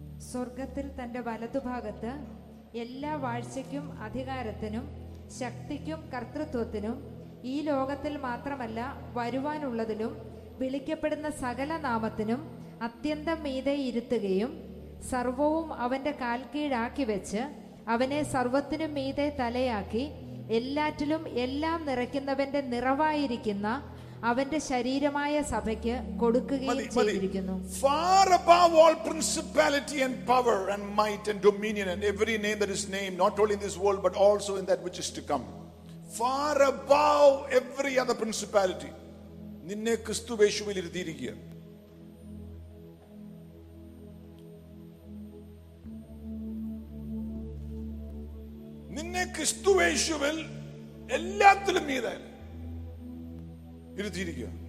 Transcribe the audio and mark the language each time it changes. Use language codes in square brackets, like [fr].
[ml] സ്വർഗത്തിൽ തന്റെ വലതുഭാഗത്ത് എല്ലാ വാഴ്ചയ്ക്കും അധികാരത്തിനും ശക്തിക്കും കർത്തൃത്വത്തിനും ഈ ലോകത്തിൽ മാത്രമല്ല വരുവാനുള്ളതിലും വിളിക്കപ്പെടുന്ന സകല നാമത്തിനും അത്യന്തം മീതെ ഇരുത്തുകയും സർവവും അവന്റെ കാൽക്കീഴാക്കി വെച്ച് അവനെ സർവത്തിനും മീതെ തലയാക്കി എല്ലാറ്റിലും എല്ലാം നിറയ്ക്കുന്നവന്റെ നിറവായിരിക്കുന്ന അവന്റെ ശരീരമായ സഭയ്ക്ക് കൊടുക്കുകയും ചെയ്തിരിക്കുന്നു. [en] Far above all principality and power and might and dominion and every name that is named, not only in this world but also in that which is to come. Far above every other principality. [ml] നിന്നെ ക്രിസ്തു യേശുവിൽ ഇരുത്തിയിരിക്കുക. നിന്നെ ക്രിസ്തുവേശുവിൽ എല്ലാത്തിലും മീതെ ഇരുത്തിയിരിക്കുക.